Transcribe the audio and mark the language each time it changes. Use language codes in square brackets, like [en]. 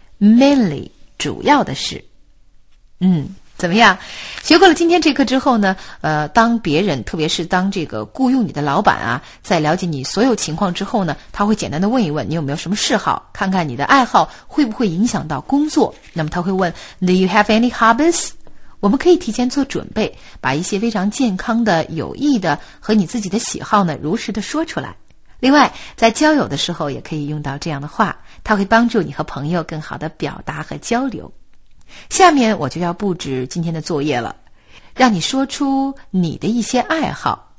[zh] Mainly, 主要的是。嗯，怎么样？学过了今天这课之后呢？当别人，特别是当这个雇佣你的老板啊，在了解你所有情况之后呢，他会简单的问一问你有没有什么嗜好，看看你的爱好会不会影响到工作。那么他会问 [en] Do you have any hobbies? [zh] 我们可以提前做准备，把一些非常健康的、有益的和你自己的喜好呢，如实的说出来。另外，在交友的时候也可以用到这样的话，它会帮助你和朋友更好的表达和交流。下面我就要布置今天的作业了，让你说出你的一些爱好。